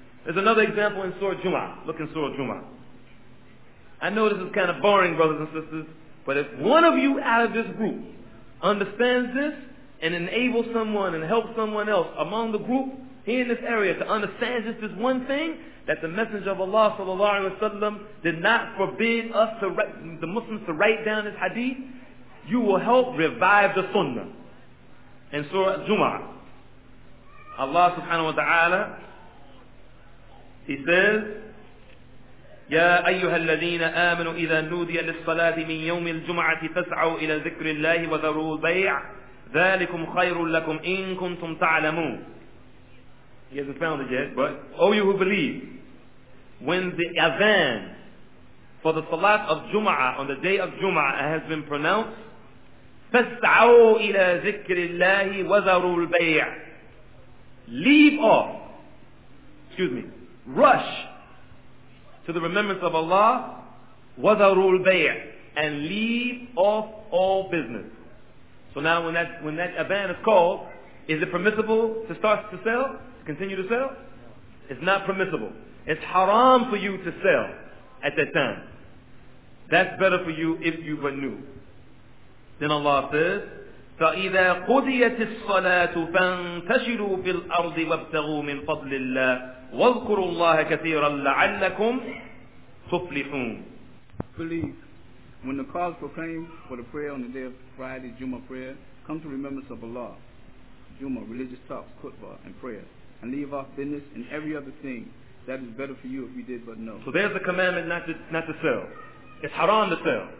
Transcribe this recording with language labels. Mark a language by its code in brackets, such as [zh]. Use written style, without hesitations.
[en] There's another example in Surah Jum'ah. Look in Surah Jum'ah. I know this is kind of boring, brothers and sisters, but if one of you out of this group understands this and enables someone and helps someone else among the group here in this area to understand just this one thing, that the Messenger of Allah sallallahu alaihi wasallam did not forbid us to write, the Muslims to write down this hadith, you will help revive the sunnah. In Surah Jum'ah, Allah subhanahu wa ta'ala, He says, [ar] يَا أَيُّهَا الَّذِينَ آمَنُوا إِذَا نُودِيَ لِلصَّلَاةِ مِنْ يَوْمِ الْجُمْعَةِ فَاسْعَوْا إِلَى ذِكْرِ اللَّهِ وَذَرُوا الْبَيْعَ ذَلِكُمْ خَيْرٌ لَكُمْ إِن كُنْتُمْ تَعْلَمُونَ. [en] He hasn't found it yet, but O you who believe, when the adhan for the salat of Jum'ah on the day of Jum'ah has been pronounced, [ar] فَاسْعَوْا إِلَى ذِكْرِ اللَّهِ وَذَرُوا الْبَيْعَ. [en] Leave off, rush to the remembrance of Allah, [ar] وَذَرُوا الْبَيْعَ, [en] and leave off all business. So now when that adhan is called, is it permissible to start to sell, to continue to sell? It's not permissible. It's haram for you to sell at that time. That's better for you if you renew. Then Allah says, [ar] فإذا قضيت الصلاة فانتشروا في الأرض وابتغوا من فضل الله واذكروا الله كثيرا لعلكم تفلحون. [en] Please, when the call is proclaimed for the prayer on the day of Friday, Jummah prayer, come to remembrance of Allah, Jummah, religious talks, khutbah, and prayer, and leave off business and every other thing that is better for you if you did but know. So there's a commandment not to sell. It's haram to sell.